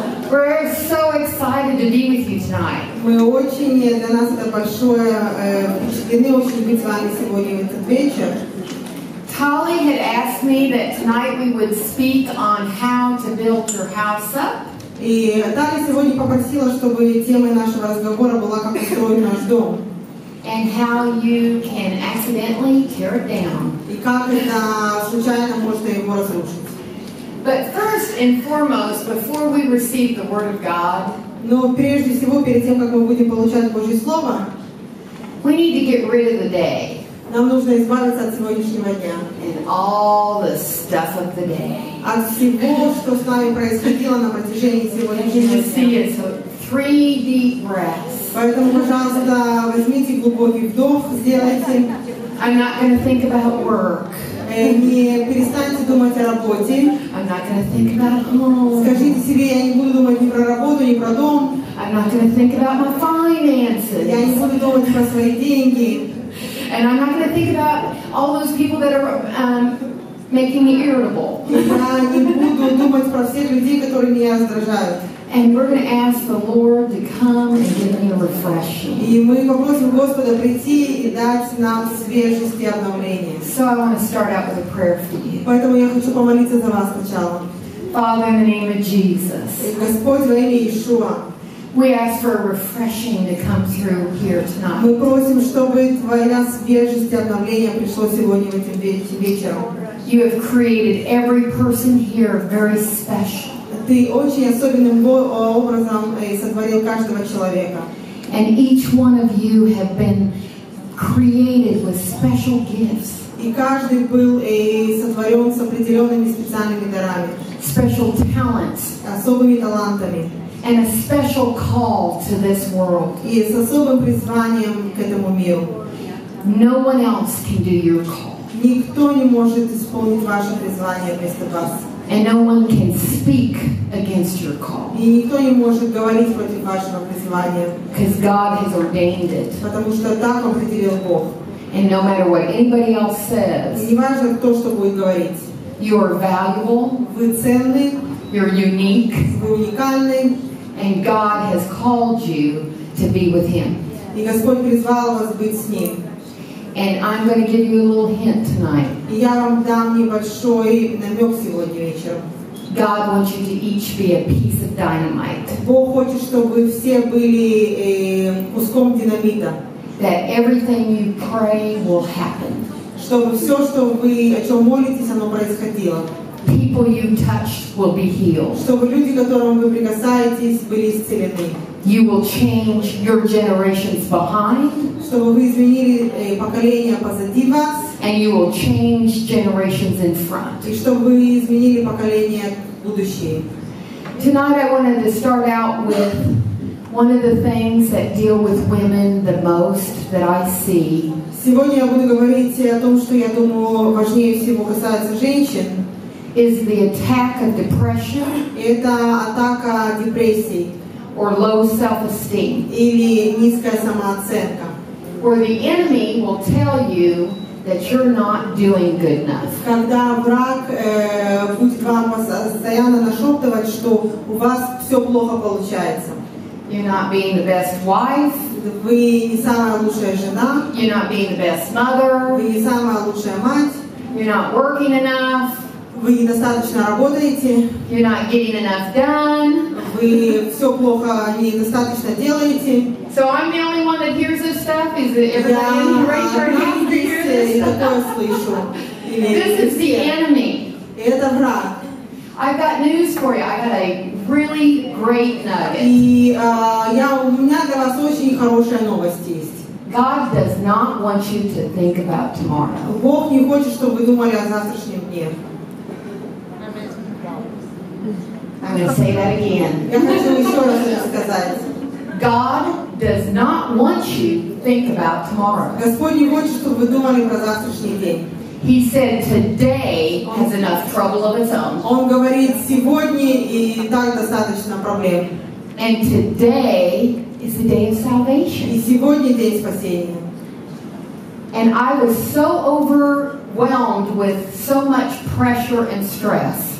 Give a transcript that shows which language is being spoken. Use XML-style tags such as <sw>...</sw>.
<en>We're so excited to be with you tonight.</en> <ru>Мы очень, для нас это большое впечатление очень быть с вами сегодня в этот вечер.</ru> <en>Tali had asked me that tonight we would speak on how to build your house up.</en> <ru>И Тали сегодня попросила, чтобы темой нашего разговора была как построить наш дом.</ru> <en>And how you can accidentally tear it down.</en> <ru>И как это случайно можно его разрушить.</ru> <en>But first and foremost, before we receive the word of God,</en> <ru>но прежде всего, перед тем, как мы будем получать Божье слово,</ru> <en>we need to get rid of the day.</en> <ru>Нам нужно избавиться от сегодняшнего дня.</ru> <en>And all the stuff of the day.</en> <ru>От всего, что с нами происходило на протяжении сегодняшнего дня.</ru> <en>And just see it. So three deep breaths.</en> <ru>Поэтому, пожалуйста, возьмите глубокий вдох, сделайте.</ru> <en>I'm not going to think about work.</en> <ru>Не перестаньте думать о работе. Скажите себе, я не буду думать ни про работу, ни про дом. Я не буду думать про свои деньги.</ru> <en>And I'm not going to think about all those people that are making me irritable.</en> <ru>Я не буду думать про всех людей, которые меня раздражают.</ru> <en>And we're going to ask the Lord to come and give me a refreshing.</en> <ru>И мы попросим Господа прийти и дать нам свежесть и обновление.</ru> <en>So I want to start out with a prayer for you.</en> <ru>Поэтому я хочу помолиться за вас сначала.</ru> <en>Father, in the name of Jesus.</en> <ru>Господь, во имя Иешуа.</ru> <en>We ask for a refreshing to come through here tonight.</en> <ru>Мы просим, чтобы твоя свежесть и обновление пришло сегодня в этим вечером.</ru> <en>You have created every person here very special.</en> <ru>Ты очень особенным образом сотворил каждого человека.</ru> <en>And each one of you have been created with special gifts.</en> <ru>И каждый был сотворен с определенными специальными дарами.</ru> <en>Special talents.</en> <ru>Особыми талантами.</ru> <en>And a special call to this world.</en> <ru>И с особым призванием к этому миру.</ru> <en>No one else can do your call.</en> <ru>Никто не может исполнить ваше призвание вместо вас.</ru> <en>And no one can speak against your call.</en> <ru>И никто не может говорить против вашего призвания.</ru> <en>Because God has ordained it.</en> <ru>Потому что так определил Бог.</ru> <en>And no matter what anybody else says.</en> <ru>И не важно то, что будет говорить.</ru> <en>You are valuable.</en> <ru>Вы ценны.</ru> <en>You're unique.</en> <ru>Вы уникальны.</ru> <en>And God has called you to be with Him.</en> <ru>И Господь призвал вас быть с Ним.</ru> <en>And I'm going to give you a little hint tonight.</en> <ru>И я вам дам небольшой намек сегодня вечером.</ru> <en>God wants you to each be a piece of dynamite.</en> <ru>Бог хочет, чтобы все были куском динамита.</ru> <en>That everything you pray will happen.</en> <ru>Чтобы все, что вы о чем молитесь, оно происходило.</ru> <en>People you touch will be healed.</en> <ru>Чтобы люди, которым вы прикасаетесь, были исцелены.</ru> <en>You will change your generations behind.</en> <ru>Чтобы вы изменили поколения позади вас.</ru> <en>And you will change generations in front.</en> <ru>И чтобы вы изменили поколения будущие.</ru> <en>Tonight I wanted to start out with one of the things that deal with women the most that I see.</en> <ru>Сегодня я буду говорить о том, что я думаю важнее всего касается женщин.</ru> <en>Is the attack of depression?</en> <ru>Это атака депрессии.</ru> <en>Or low self-esteem.</en> <ru>Или низкая самооценка.</ru> <en>Where the enemy will tell you that you're not doing good enough.</en> <ru>Когда враг будет вам постоянно нашептывать, что у вас все плохо получается.</ru> <en>You're not being the best wife.</en> <ru>Вы не самая лучшая жена.</ru> <en>You're not being the best mother.</en> <ru>Вы не самая лучшая мать.</ru> <en>You're not working enough.</en> <ru>Вы недостаточно работаете.</ru> <en>You're not getting enough done.</en> <ru>Вы все плохо и недостаточно делаете.</ru> <en>So I'm the only one that hears this stuff. Is it everybody in here? Raise your hand if you hear this stuff. This is the enemy.</en> <ru>Это враг.</ru> <en>I've got news for you. I got a really great nugget.</en> <ru>И у меня для вас очень хорошая новость есть.</ru> <en>God does not want you to think about tomorrow.</en> <ru>Бог не хочет, чтобы вы думали о завтрашнем дне.</ru> <en>I'm going to say that again. God does not want you to think about tomorrow. He said today has enough trouble of its own.</en> <ru>Он говорит, сегодня и так достаточно проблем.</ru> <en>And today is the day of salvation.</en> <ru>И сегодня день спасения.</ru> <en>And I was so overwhelmed with so much pressure and stress.</en>